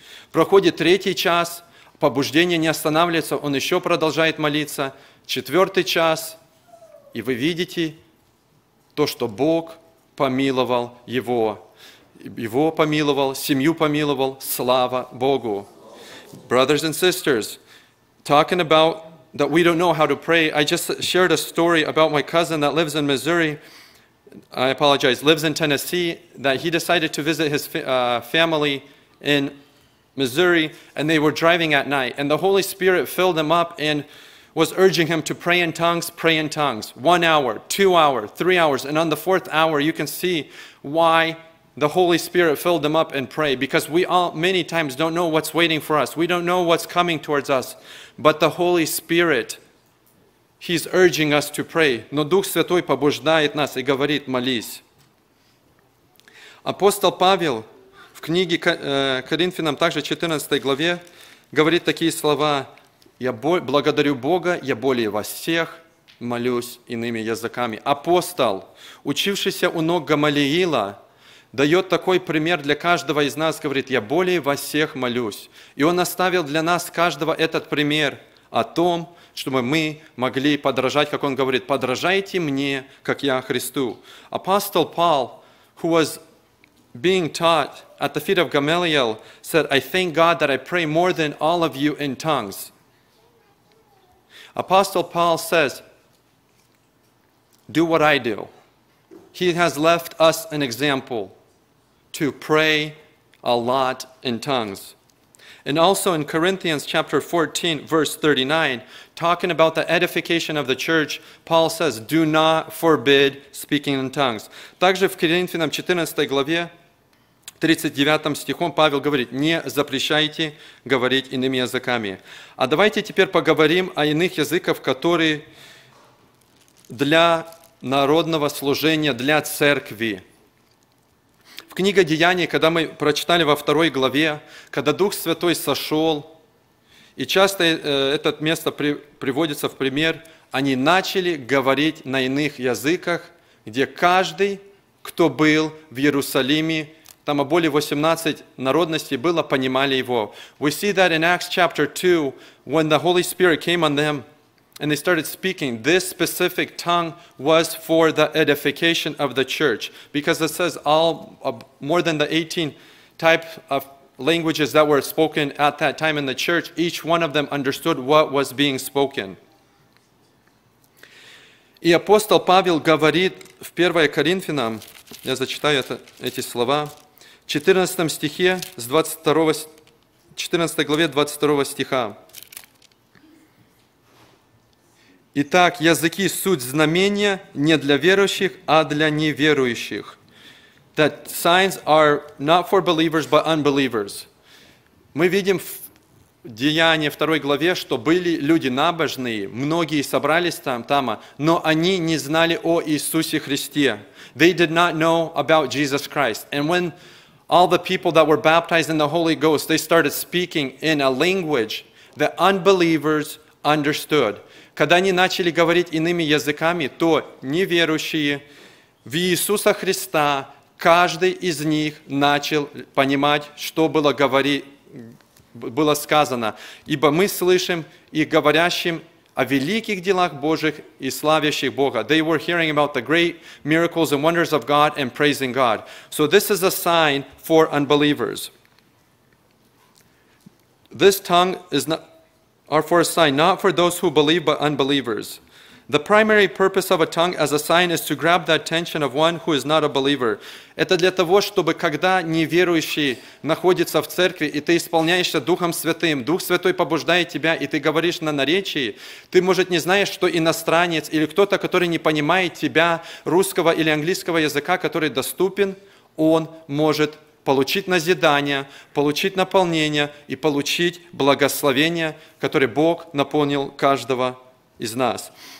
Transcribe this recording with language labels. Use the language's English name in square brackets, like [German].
[Russian] Проходит третий час, побуждение не останавливается, он еще продолжает молиться. Четвертый час, и вы видите то, что Бог помиловал его. Его помиловал, семью помиловал, слава Богу. [English] Brothers and sisters, talking about that we don't know how to pray, I just shared a story about my cousin that lives in Missouri, I apologize, lives in Tennessee, that he decided to visit his family in Missouri, and they were driving at night, and the Holy Spirit filled them up and was urging him to pray in tongues, 1 hour, 2 hours, 3 hours, and on the fourth hour, you can see why the Holy Spirit filled them up and pray, because we all many times don't know what's waiting for us. We don't know what's coming towards us. But the Holy Spirit, He's urging us to pray. [Russian] Но Дух Святой побуждает нас и говорит, молись. Апостол Павел в книге Коринфянам, также 14 главе, говорит такие слова. Я благодарю Бога, я более вас всех молюсь иными языками. Апостол, учившийся у ног Гамалиила, дает такой пример для каждого из нас, говорит, я более вас всех молюсь. И он оставил для нас каждого этот пример о том, чтобы мы могли подражать, как он говорит, подражайте мне, как я Христу. [English] Apostle Paul, who was being taught at the feet of Gamaliel, said, I thank God that I pray more than all of you in tongues. Apostle Paul says, do what I do. He has left us an example to pray a lot in tongues. And also in Corinthians chapter 14, verse 39, talking about the edification of the church, Paul says, do not forbid speaking in tongues. [Russian] Также в Коринфянам 14 главе, 39 стихом, Павел говорит, не запрещайте говорить иными языками. А давайте теперь поговорим о иных языках, которые для народного служения, для церкви. В книге Деяний, когда мы прочитали во второй главе, когда Дух Святой сошел, и часто это место приводится в пример, они начали говорить на иных языках, где каждый, кто был в Иерусалиме, там более 18 народностей было, понимали его. [English] We see that in Acts chapter 2, when the Holy Spirit came on them, and they started speaking, this specific tongue was for the edification of the church. Because it says all more than the 18 type of languages that were spoken at that time in the church, each one of them understood what was being spoken. [Russian] И апостол Павел говорит в 1 Коринфянам, я зачитаю эти слова, 14 стихе, 14 главе 22 стиха. Итак, языки – суть знамения не для верующих, а для неверующих. [English] That signs are not for believers, but unbelievers. [Russian] Мы видим Деяния 2 главе, что были люди набожные, многие собрались там, но они не знали о Иисусе Христе. [English] They did not know about Jesus Christ. And when all the people that were baptized in the Holy Ghost, they started speaking in a language that unbelievers understood. [Russian] Когда они начали говорить иными языками, то неверующие в Иисуса Христа, каждый из них начал понимать, что было было сказано, ибо мы слышим и говорящим о великих делах Божьих и славящих Бога. [English] They were hearing about the great miracles and wonders of God and praising God. So this is a sign for unbelievers. This tongue is not are for a sign, not for those who believe, but unbelievers. The primary purpose of a tongue as a sign is to grab the attention of one who is not a believer. [Russian] Это для того, чтобы когда неверующий находится в церкви, и ты исполняешься Духом Святым, Дух Святой побуждает тебя, и ты говоришь на наречии, ты, может, не знаешь, что иностранец или кто-то, который не понимает тебя, русского или английского языка, который доступен, он может получить назидание, получить наполнение и получить благословение, которое Бог наполнил каждого из нас.